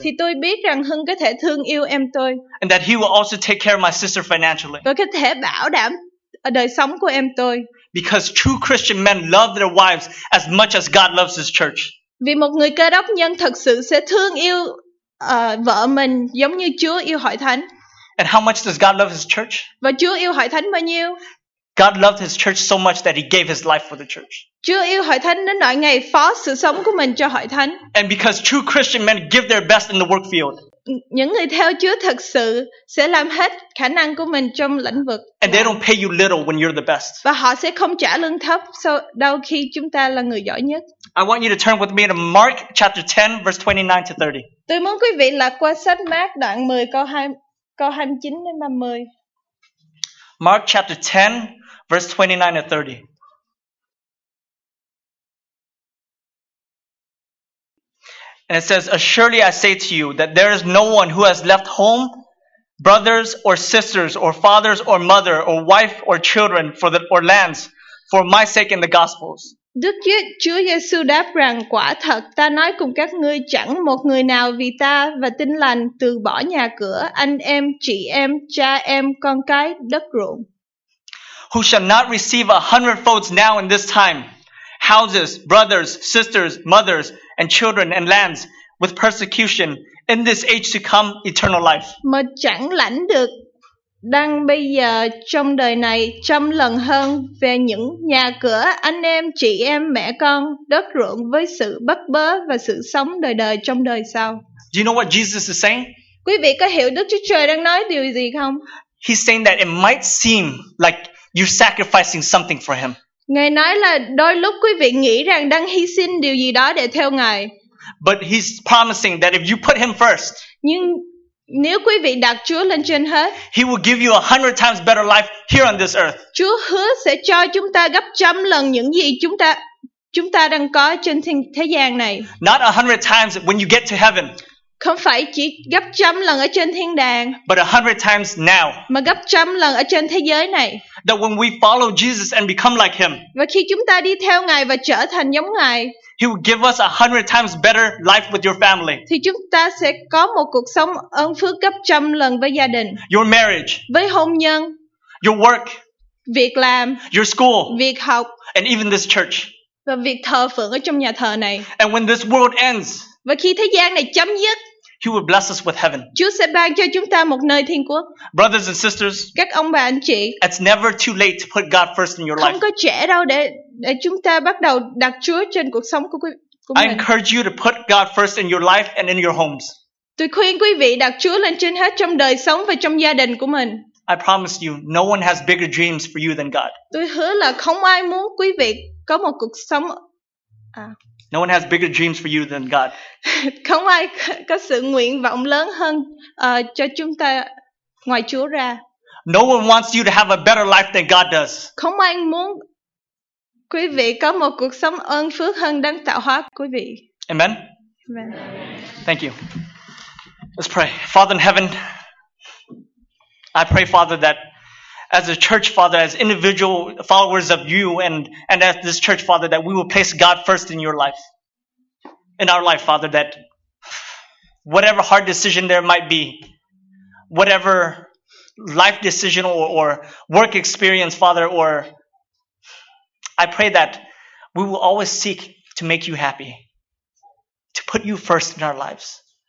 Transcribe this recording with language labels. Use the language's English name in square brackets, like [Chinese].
[Vietnamese] Thì tôi biết rằng Hưng có thể thương yêu em tôi. [English] And that he will also take care of my sister financially. [Vietnamese] Tôi có thể bảo đảm đời sống của em tôi. [English] Because true Christian men love their wives as much as God loves His church. [Vietnamese] Vì một người Cơ Đốc nhân thật sự sẽ thương yêu vợ mình giống như Chúa yêu Hội Thánh. [English] And how much does God love His church? [Vietnamese] Và Chúa yêu Hội Thánh bao nhiêu? [English] God loved His church so much that He gave His life for the church. [Vietnamese] Chúa yêu Hội Thánh đến nỗi ngày phó sự sống của mình cho Hội Thánh. [English] And because true Christian men give their best in the work field. [Vietnamese] Những người theo Chúa thật sự sẽ làm hết khả năng của mình trong lĩnh vực. [English] And they don't pay you little when you're the best. [Vietnamese] Và họ sẽ không trả lương thấp đâu khi chúng ta là người giỏi nhất. [English] I want you to turn with me to Mark chapter 10 verse 29 to 30. [Vietnamese] Tôi muốn quý vị lật qua sách Mác đoạn 10 câu 29 đến 30. [English] Mark chapter 10 verse 29 to 30. And it says, "Assuredly I say to you that there is no one who has left home, brothers or sisters or fathers or mother or wife or children or lands for my sake in the Gospels." [Vietnamese] Đức Chúa Giêsu đáp rằng, quả thật ta nói cùng các ngươi, chẳng một người nào vì ta và tin lành từ bỏ nhà cửa, anh em, chị em, cha em, con cái, đất ruộng. [English] Who shall not receive 100-fold now in this time? Houses, brothers, sisters, mothers, and children, and lands, with persecution, in this age to come eternal life. [Vietnamese] Mà chẳng lãnh được đang bây giờ trong đời này trăm lần hơn về những nhà cửa, anh em, chị em, mẹ con, đất ruộng với sự bấp bớ và sự sống đời đời trong đời sau. [English] Do you know what Jesus is saying? [Vietnamese] Quý vị có hiểu Đức Chúa Trời đang nói điều gì không? [English] He's saying that it might seem like you're sacrificing something for him. [Vietnamese] Ngài nói là đôi lúc quý vị nghĩ rằng đang hy sinh điều gì đó để theo Ngài. [English] But he's promising that if you put him first, [Vietnamese] nhưng nếu quý vị đặt Chúa lên trên hết, [English] he will give you 100 times better life here on this earth. [Vietnamese] Chúa hứa sẽ cho chúng ta gấp trăm lần những gì chúng ta đang có trên thế gian này. [English] Not 100 times when you get to heaven. [Vietnamese] Không phải chỉ gấp trăm lần ở trên thiên đàng, [English] but 100 times now. [Vietnamese] Mà gấp trăm lần ở trên thế giới này. [English] That when we follow Jesus and become like him. [Vietnamese] Và khi chúng ta đi theo Ngài và trở thành giống Ngài, [English] he will give us 100 times better life with your family. [Vietnamese] Thì chúng ta sẽ có một cuộc sống ơn phước gấp trăm lần với gia đình. [English] Your marriage. [Vietnamese] Với hôn nhân. [English] Your work. [Vietnamese] Việc làm. [English] Your school. [Vietnamese] Việc học. [English] And even this church. [Vietnamese] Và việc thờ phượng ở trong nhà thờ này. [English] And when this world ends. [Vietnamese] Và khi thế gian này chấm dứt, [English] he will bless us with heaven. [Vietnamese] Chúa sẽ ban cho chúng ta một nơi thiên quốc. [English] Brothers and sisters, [Vietnamese] các ông bà anh chị, [English] it's never too late to put God first in your life. [Vietnamese] Không có trễ đâu để chúng ta bắt đầu đặt Chúa trên cuộc sống của mình. [English] I encourage you to put God first in your life and in your homes. [Vietnamese] Tôi khuyên quý vị đặt Chúa lên trên hết trong đời sống và trong gia đình của mình. [English] I promise you, no one has bigger dreams for you than God. [Vietnamese] Tôi hứa là không ai muốn quý vị có một cuộc sống. [English] No one has bigger dreams for you than God. [Vietnamese] Không ai có sự nguyện vọng lớn hơn cho chúng ta ngoài Chúa ra. [English] No one wants you to have a better life than God does. [Vietnamese] Không ai muốn quý vị có một cuộc sống ơn phước hơn đấng tạo hóa quý vị. [English] Amen. [Vietnamese] Amen. [English] Thank you. Let's pray. Father in heaven, I pray, Father, that as a church, Father, as individual followers of you and as this church, Father, that we will place God first in your life, in our life, Father, that whatever hard decision there might be, whatever life decision or work experience, Father, or I pray that we will always seek to make you happy, to put you first in our lives.